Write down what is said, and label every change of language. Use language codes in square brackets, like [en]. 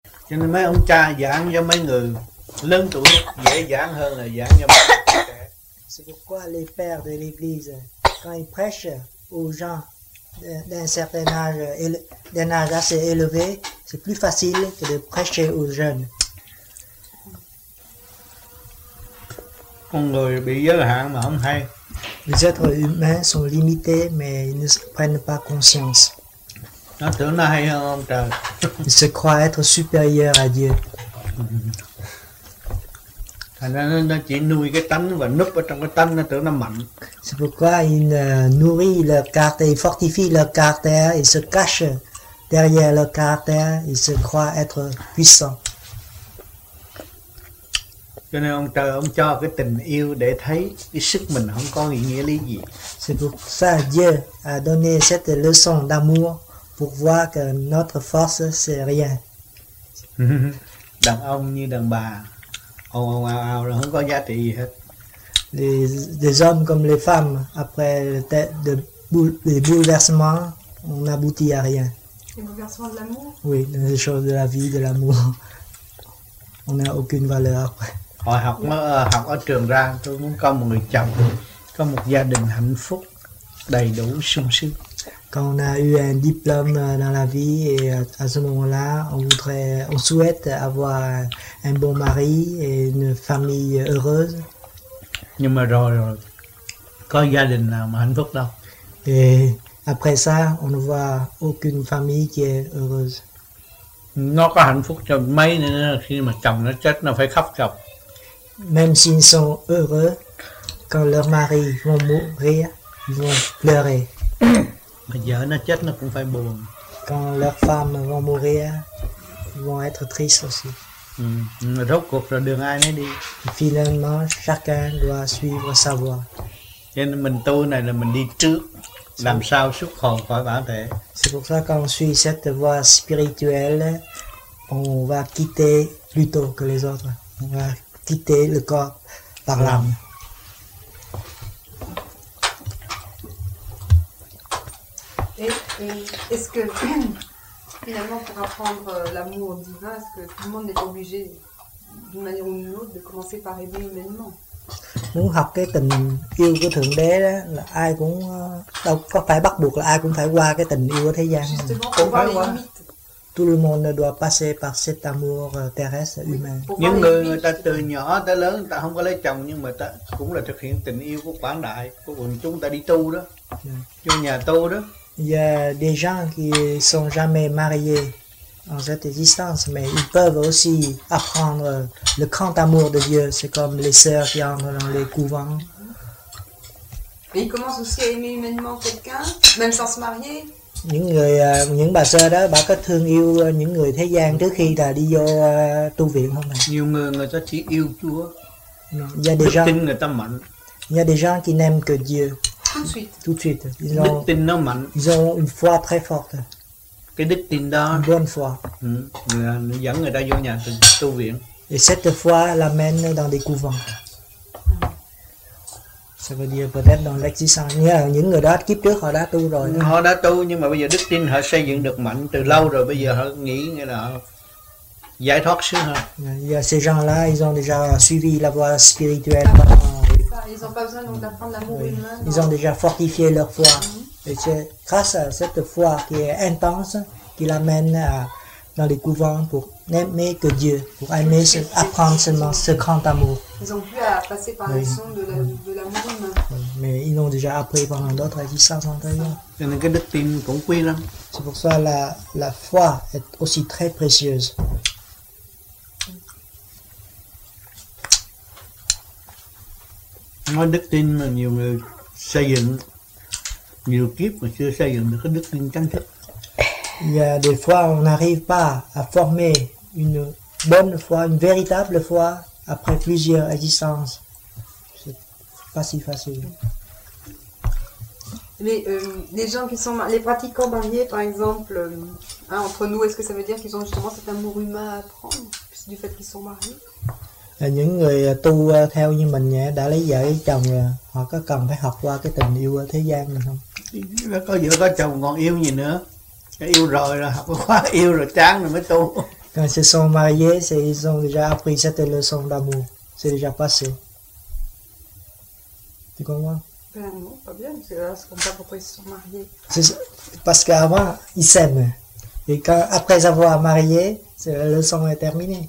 [vi] Cho nên mấy ông cha giảng cho mấy người lớn tuổi dễ giảng hơn là giảng cho mấy người trẻ. [fr] C'est pourquoi les pères de l'église, quand ils prêchent aux gens d'un certain âge, d'un âge assez élevé, c'est plus facile que de prêcher aux jeunes. [vi] Con người bị giới hạn mà không hay. [fr] Les êtres humains sont limités, mais ils ne prennent pas conscience. [vi] Nó tưởng nó hay hơn ông trời. [fr] Ils se croient être supérieurs à Dieu. [vi] Thành ra nó chỉ nuôi cái tánh và núp ở trong cái tánh, nó tưởng nó mạnh. [fr] C'est pourquoi il nourrit leur caractère, il fortifie leur caractère, il se cache derrière leur caractère, il se croit être puissant. [vi] Cho nên ông trời ông cho cái tình yêu để thấy cái sức mình không có nghĩa lý gì. [fr] C'est pour ça Dieu a donné cette leçon d'amour pour voir que notre force c'est rien. [vi] Đàn ông như đàn bà. Không có giá trị gì hết. [fr] Les hommes comme les femmes, après le tête de les bouleversements, on n'aboutit à rien. Les bouleversements de l'amour. Oui, les choses de la vie, de l'amour. On n'a aucune valeur après. [vi] Hồi học học ở trường ra, tôi muốn có một người chồng, có một gia đình hạnh phúc, đầy đủ sung sướng. [fr] Quand on a eu un diplôme dans la vie et à ce moment-là, on souhaite avoir un bon mari et une famille heureuse. [vi] Nhưng mà rồi, có gia đình nào mà hạnh phúc đâu. [fr] Et après ça, on ne voit aucune famille qui est heureuse. [vi] Nó có hạnh phúc cho mấy nữa, khi mà chồng nó chết, nó phải khóc chồng. [fr] Même s'ils sont heureux, quand leur mari vont mourir, ils vont pleurer. [vi] Mà vợ nó chết nó cũng phải buồn. [fr] Quand leur femme vont mourir, ils vont être tristes aussi. [vi] Rốt cuộc là đường ai nấy đi. [fr] Finalement, chacun doit suivre sa voie. [vi] Cho nên mình tu này là mình đi trước, làm sao xuất hồn khỏi bản thể. [fr] C'est pour ça qu'on suit cette voie spirituelle, on va quitter plus tôt que les autres. On va quitter le corps par l'âme. Et est-ce que finalement pour apprendre l'amour divin, est-ce que tout le monde est obligé d'une manière ou d'une autre de commencer par aimer humainement? [vi] Muốn học cái tình yêu của Thượng Đế đó, là ai cũng đâu có phải bắt buộc là ai cũng phải qua cái tình yêu ở thế gian. Cũng phải qua. [fr] Tout le monde doit passer par cet amour terrestre humain. [vi] Những người người ta từ nhỏ tới lớn người ta không có lấy chồng nhưng mà ta cũng là thực hiện tình yêu của quảng đại của quần chúng, ta đi tu đó, vô nhà tu đó. [fr] Il y a des gens qui ne sont jamais mariés en cette existence, mais ils peuvent aussi apprendre le grand amour de Dieu. C'est comme les sœurs qui entrent dans les couvents. Mais ils commencent aussi à aimer humainement quelqu'un, même sans se marier. [vi] Những người, những bà sơ đó, bà có thương yêu những người thế gian trước khi là đi vô tu viện không ạ? Nhiều người người ta chỉ yêu Chúa. [fr] Il y a des gens, [vi] tin người ta mạnh. [fr] Il y a des gens qui n'aiment que Dieu. Tout de suite. Tout de suite. Ils ont une foi très forte. [vi] Cái đức tin đó, [fr] une bonne foi. [vi] Dẫn người ta vô nhà tu viện. [fr] Et cette foi l'amène dans des couvents. Ça veut dire peut-être dans l'existence. [vi] Nhưng những người đó kiếp trước họ đã tu rồi. Họ đã tu nhưng mà bây giờ đức tin họ xây dựng được mạnh từ lâu rồi. Bây giờ họ nghĩ là giải thoát sứ hơn. [fr] Il y a ces gens-là, ils ont déjà suivi la voie spirituelle. Ils n'ont pas besoin d'apprendre l'amour humain. Oui. Ils ont déjà fortifié leur foi. Mm-hmm. Et c'est grâce à cette foi qui est intense qui l'amène dans les couvents pour n'aimer que Dieu, pour aimer, apprendre seulement ce grand amour. Ils ont pu passer par les sons de l'amour humain. Mais ils l'ont déjà appris pendant d'autres existences antérieures. C'est pour ça que la foi est aussi très précieuse. [vi] Nói đức tin mà nhiều người xây dựng nhiều kiếp mà chưa xây dựng được cái đức tin chân thực. [fr] Yeah, des fois on n'arrive pas à former une bonne foi, une véritable foi après plusieurs existences. C'est pas si facile. Mais les gens qui sont les pratiquants mariés par exemple, hein, entre nous, est-ce que ça veut dire qu'ils ont justement cet amour humain à apprendre du fait qu'ils sont mariés? [vi] Những người tu theo như mình nhé, đã lấy vợ chồng rồi, họ có cần phải học qua cái tình yêu ở thế gian này không? Có vợ có chồng còn yêu gì nữa? Yêu rồi học qua yêu rồi chán rồi mới tu. [fr] Quand ils se sont mariés, c'est, ils ont déjà appris cette leçon d'amour. C'est déjà passé. Tu comprends? Ben non, pas bien. C'est là, je comprends pas pourquoi ils se sont mariés. C'est parce qu'avant, ils s'aiment. Et quand, après avoir marié, c'est, la leçon est terminée.